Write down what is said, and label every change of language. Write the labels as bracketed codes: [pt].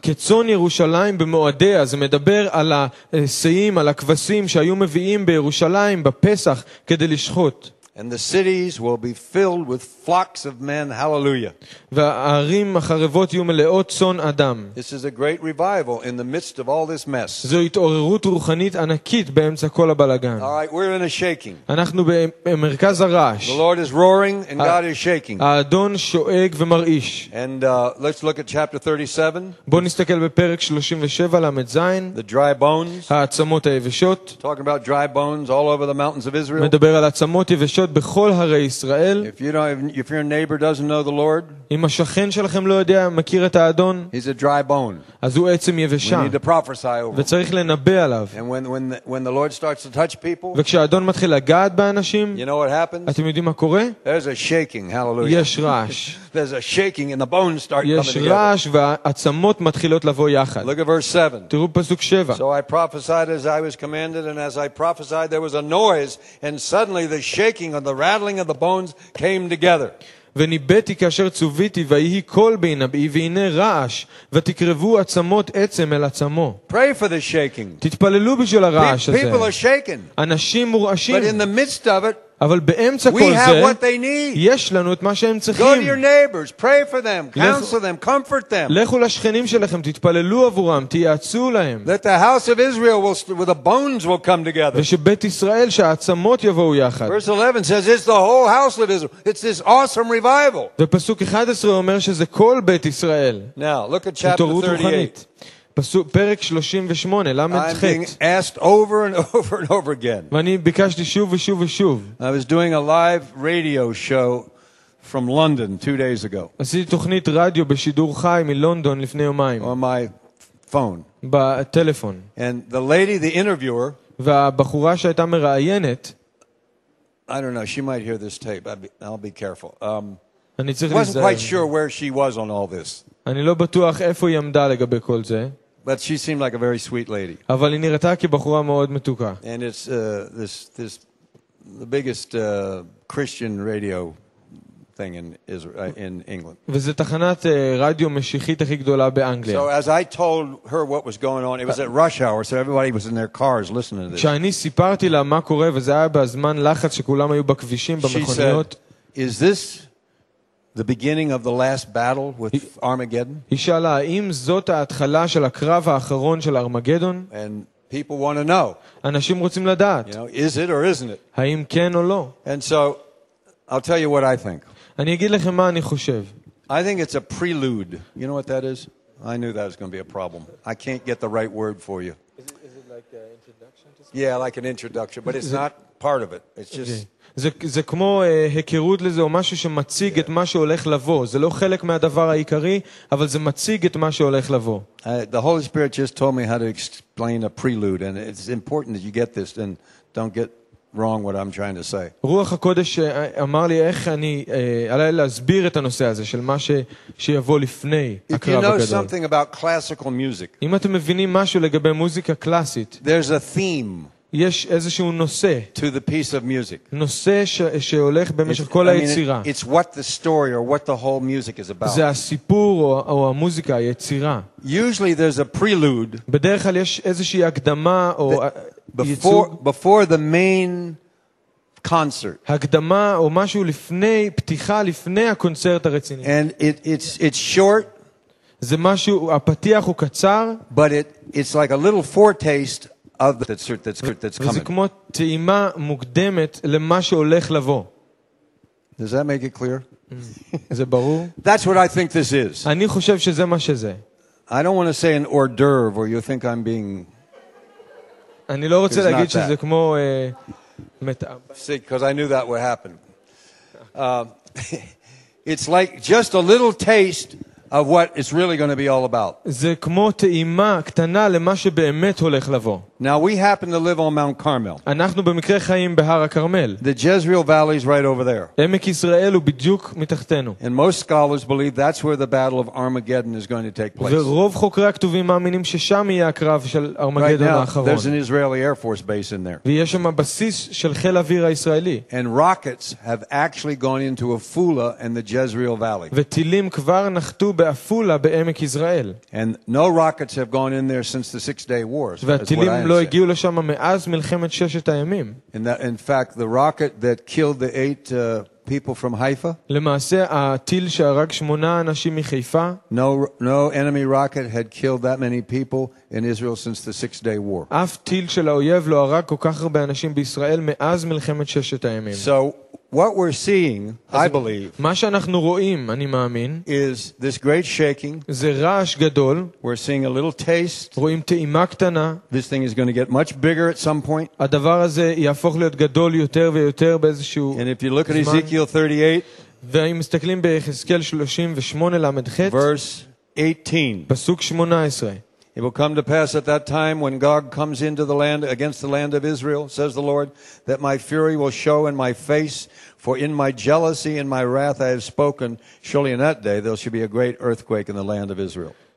[he] כצאן ירושלים במועדיה זה מדבר על השאים על הכבשים שהיו מביאים בירושלים בפסח כדי לשחוט. [en] And the cities will be filled with flocks of men. Hallelujah. [he] והערים החרבות יהיו מלאות צאן אדם. [en] This is a great revival in the midst of all this mess. [he] זו התעוררות רוחנית ענקית באמצע כל הבלגן. [en] All right, we're in a shaking. [he] אנחנו במרכז הרעש. [en] The Lord is roaring and God is shaking. [he] האדון שואג ומרעיש. [en] And let's look at chapter 37. [he] בוא נסתכל בפרק 37 למד זין. [en] The dry bones. [he] העצמות היבשות. [en] Talking about dry bones all over the mountains of Israel. [he] מדבר על עצמות יבשות. שוט בכל הרי ישראל [en] if your neighbor doesn't know the lord [he] אם השכן שלכם לא יודע מכיר את האדון [en] he's a dry bone [he] אז הוא עצם יבשה וצריך לנבא עליו [en] and when the lord starts to touch people [he] וכשהאדון מתחיל לגעת באנשים [en] you know what happens [he] אתם יודעים מה קורה [en] there's a shaking hallelujah [he] יש רעש [en] there's a shaking and the bones start coming together [he] יש רעש והעצמות מתחילות לבוא יחד [en] look at verse 7 [he] תראו פסוק 7 [en] so I prophesied as I was commanded and as I prophesied there was a noise and suddenly the shaking and the rattling of the bones came together. [he] וניבאתי כאשר צוויתי והיהי קול בינבי והנה רעש ותקרבו עצמות עצם אל עצמו. [en] Pray for the shaking. [he] תתפללו בשביל הרעש הזה. [en] People are shaken. [he] אנשים מורעשים. [en] But in the midst of it, [he] אבל באמצע [en] we [he] כל [en] have [he] זה, [en] what they need. [he] יש לנו את מה שהם צריכים. [en] Go to your neighbors, pray for them, counsel them, comfort them. [he] לכו לשכנים שלכם, תתפללו עבורם, תייעצו להם. [en] That the house of Israel will, with the bones will come together. [he] ושבית ישראל שהעצמות יבואו יחד. [en] Verse 11 says it's the whole house of Israel. It's this awesome revival. [he] ופסוק 11 אומר שזה כל בית ישראל. [en] Now, look at chapter 38. [he] פסוק פרק 38 למד [en] חט I'm being asked over and over and over again. [he] ואני ביקשתי שוב ושוב ושוב. [en] I was doing a live radio show from London 2 days ago. [he] עשיתי תוכנית רדיו בשידור חי מלונדון לפני יומיים. [en] On my phone. [he] בטלפון. [en] And the lady the interviewer [he] והבחורה שהייתה מראיינת [en] I don't know she might hear this tape. I'll be careful. [he] אני צריך להיזהר. [en] Wasn't quite sure where she was on all this. [he] אני לא בטוח איפה היא עמדה לגבי כל זה. [en] But she seemed like a very sweet lady. [he] אבל היא נראתה כבחורה מאוד מתוקה. [en] And it's this the biggest Christian radio thing in Israel, in England. [he] וזה תחנת רדיו משיחית הכי גדולה באנגליה. [en] So as I told her what was going on, it was at rush hour, so everybody was in their cars listening to this. [he] כשאני סיפרתי לה מה קורה, וזה היה בזמן לחץ שכולם היו בכבישים, במכוניות. [en] She said, is this the beginning of the last battle with Armageddon? [he] היא שאלה, האם זאת ההתחלה של הקרב האחרון של ארמגדון? [en] And people want to know. [he] אנשים רוצים לדעת. [en] You know, is it or isn't it? [he] האם כן או לא? [en] And so I'll tell you what I think. [he] אני אגיד לכם מה אני חושב. [en] I think it's a prelude. You know what that is? I knew that was going to be a problem. I can't get the right word for you. Is it like an introduction to something? Yeah, like an introduction, but it's not part of it. It's just [he] זה כמו היכרות לזה או משהו שמציג את מה שהולך לבוא. זה לא חלק מהדבר העיקרי, אבל זה מציג את מה שהולך לבוא. [en] The Holy Spirit just told me how to explain a prelude, and it's important that you get this and don't get wrong what I'm trying to say. [he] רוח הקודש אמר לי איך אני עליי להסביר את הנושא הזה של מה שיבוא לפני הקרב הגדול. [en] If you know something about classical music, [he] אם אתם מבינים משהו לגבי מוזיקה קלאסית, [en] there's a theme. [he] יש איזשהו נושא, [en] to the piece of music. [he] נושא שהולך במשך כל היצירה. [en] It's what the story or what the whole music is about. [he] זה הסיפור או המוזיקה, היצירה. [en] Usually there's a prelude. [he] בדרך כלל יש איזושהי הקדמה או [en] before the main concert. [he] הקדמה או משהו לפני פתיחה, לפני הקונצרט הרציני. [en] And it's short. [he] זה משהו, הפתיח הוא קצר. [en] But it's like a little foretaste of that's coming. [he] וזה כמו טעימה מוקדמת למה שהולך לבוא. [en] Does that make it clear? [he] זה ברור? [en] That's what I think this is. [he] אני חושב שזה מה שזה. [en] I don't want to say an hors d'oeuvre or you think I'm being [he] אני לא רוצה להגיד שזה כמו [en] See, because I knew that would happen. it's like just a little taste of what it's really going to be all about. [he] זה כמו טעימה קטנה למה שבאמת הולך לבוא. [en] Now we happen to live on Mount Carmel. [he] אנחנו במקרה חיים בהר הכרמל. [en] The Jezreel Valley is right over there. [he] עמק ישראל הוא בדיוק מתחתנו. [en] And most scholars believe that's where the battle of Armageddon is going to take place. [he] ורוב חוקרי הכתובים מאמינים ששם יהיה הקרב של ארמגדון האחרון. [en] Right now, there's an Israeli Air Force base in there. [he] ויש שם בסיס של חיל האוויר הישראלי. [en] And rockets have actually gone into Afula and the Jezreel Valley. [he] וטילים כבר נחתו באפולה בעמק ישראל. [en] And no rockets have gone in there since the Six-Day War. [he] לא הגיעו לשם מאז מלחמת ששת הימים. [en] In fact, the rocket that killed the 8 people from Haifa? [he] למעשה, הטיל שהרג 8 אנשים מחיפה? [en] No enemy rocket had killed that many people in Israel since the Six-Day War. [he] אף טיל של האויב לא הרג כל כך הרבה אנשים בישראל מאז מלחמת ששת הימים. [en] So what we're seeing, I believe, [he] מה שאנחנו רואים, אני מאמין, [en] is this great shaking. [he] זה רעש גדול. [en] We're seeing a little taste. [he] רואים טעימה קטנה. [en] This thing is going to get much bigger at some point. [he] הדבר הזה יהפוך להיות גדול יותר ויותר באיזשהו זמן. [en] And if you look at Ezekiel 38, [he] ואם מסתכלים ביחזקאל 38 למד ח', [en] verse 18, [he] פסוק 18, [en] it will come to pass at that time when Gog comes into the land against the land of Israel, says the Lord, that my fury will show in my face, for in my jealousy and my wrath I have spoken. Surely in that day there shall be a great earthquake in the land of Israel.